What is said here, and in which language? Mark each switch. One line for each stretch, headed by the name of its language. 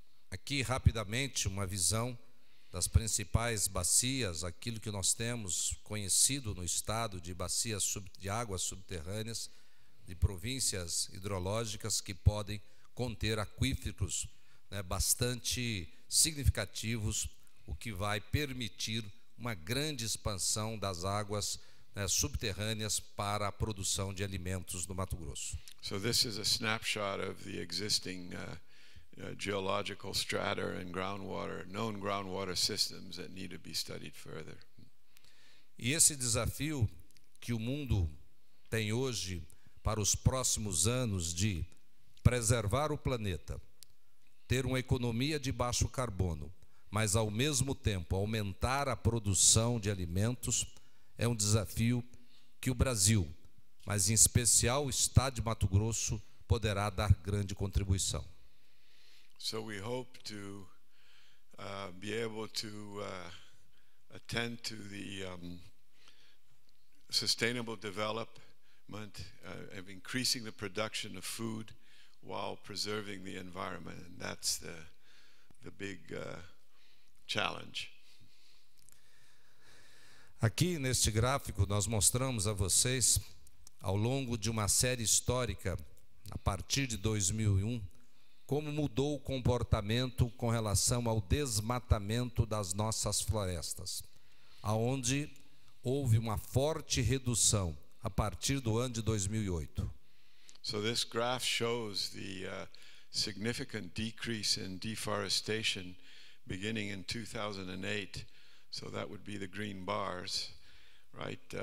Portuguese: Aqui, rapidamente, uma visão das principais bacias, aquilo que nós temos conhecido no estado de bacias de águas subterrâneas, de províncias hidrológicas que podem conter aquíferos, né, bastante significativos, o que vai permitir uma grande expansão das águas, né, subterrâneas para a produção de alimentos no Mato Grosso.
English: So this is a snapshot of the existing geological strata and groundwater, known groundwater systems that need to be studied further.
Portuguese: E esse desafio que o mundo tem hoje para os próximos anos de preservar o planeta, ter uma economia de baixo carbono, mas ao mesmo tempo aumentar a produção de alimentos, é um desafio que o Brasil, mas em especial o estado de Mato Grosso, poderá dar grande contribuição.
English: So we hope to be able to attend to the sustainable development of increasing the production of food while preserving the environment. And that's the big challenge.
Portuguese: Aqui neste gráfico nós mostramos a vocês ao longo de uma série histórica a partir de 2001 como mudou o comportamento com relação ao desmatamento das nossas florestas, aonde houve uma forte redução a partir do ano de 2008.
English: So this graph shows the significant decrease in deforestation beginning in 2008. So that would be the green bars, right?